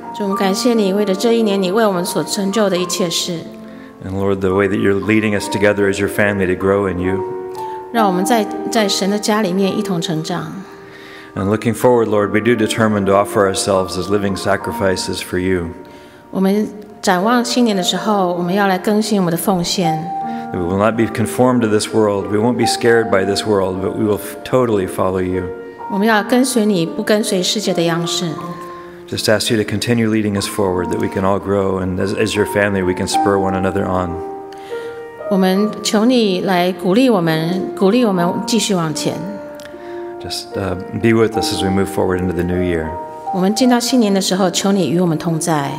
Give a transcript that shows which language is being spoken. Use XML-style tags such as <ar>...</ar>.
<zh>主，我们感谢你，为了这一年，你为我们所成就的一切事。</zh> <en>And Lord, the way that you're leading us together as your family to grow in you.</en> <zh>让我们在神的家里面一同成长。</zh> <en>And looking forward, Lord, we do determine to offer ourselves as living sacrifices for you.</en> <zh>我们展望新年的时候，我们要来更新我们的奉献。</zh> <en>That we will not be conformed to this world. We won't be scared by this world, but we will totally follow you.</en> <zh>我们要跟随你，不跟随世界的样式。</zh> <en>Just ask you to continue leading us forward, that we can all grow, and as your family, we can spur one another on.</en> <zh>我们求你来鼓励我们，鼓励我们继续往前。</zh> <en>Just be with us as we move forward into the new year.</en> <zh>我们进到新年的时候，求你与我们同在。</zh>